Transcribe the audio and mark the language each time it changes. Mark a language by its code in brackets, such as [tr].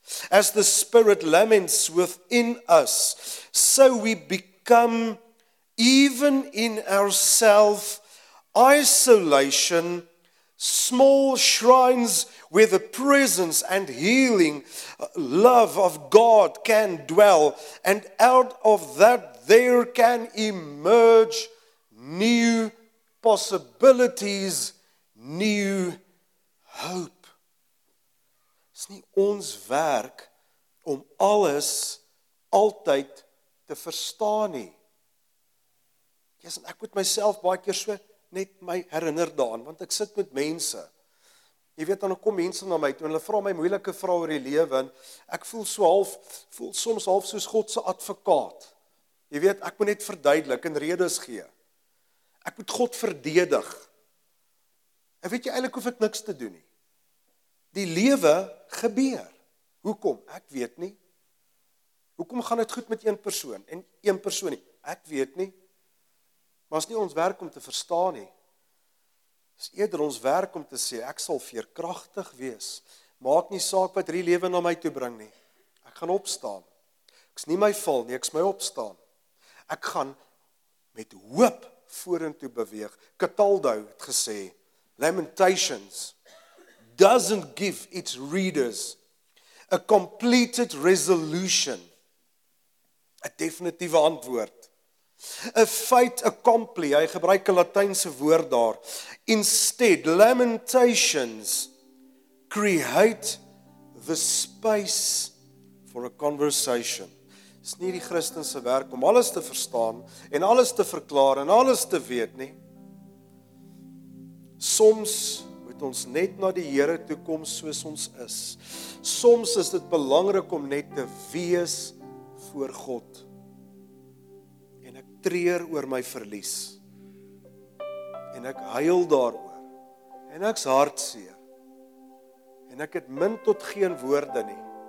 [en] As the Spirit laments within us, so we become, even in ourself, isolation, small shrines where the presence and healing love of God can dwell, and out of that there can emerge new possibilities, new hope. [af] Is nie ons werk om alles altyd te verstaan nie. Yes, ek moet myself baie keer so net my herinner daaraan, want ek sit met mense. Jy weet, dan kom mense na my toe en hulle vra my moeilike vrae oor die lewe en ek voel soms half soos God se advokaat. Jy weet, ek moet net verduidelik en redes gee. Ek moet God verdedig. En weet jy, eintlik hoef ek niks te doen nie. Die lewe gebeur. Hoekom? Ek weet nie. Hoekom gaan dit goed met een persoon en een persoon nie? Ek weet nie. Maar is nie ons werk om te verstaan nie. Is eerder ons werk om te sê, ek sal veerkragtig wees. Maak nie saak wat hierdie lewe na my toe bring nie. Ek gaan opstaan. Ek is nie my val nie, ek is my opstaan. Ek gaan met hoop vorentoe beweeg. Cataldo het gesê, [en] Lamentations doesn't give its readers a completed resolution. A definitive [af] antwoord. [fr] A fait accompli, [af] hy gebruik 'n Latynse woord daar. [en] Instead, lamentations create the space for a conversation. [af] Dis nie die Christense werk om alles te verstaan en alles te verklaar en alles te weet nie. Soms moet ons net na die Here toe kom soos ons is. Soms is dit belangrik om net te wees voor God. Treur oor my verlies en ek huil daaroor en ek's hartseer en ek het min tot geen woorde nie.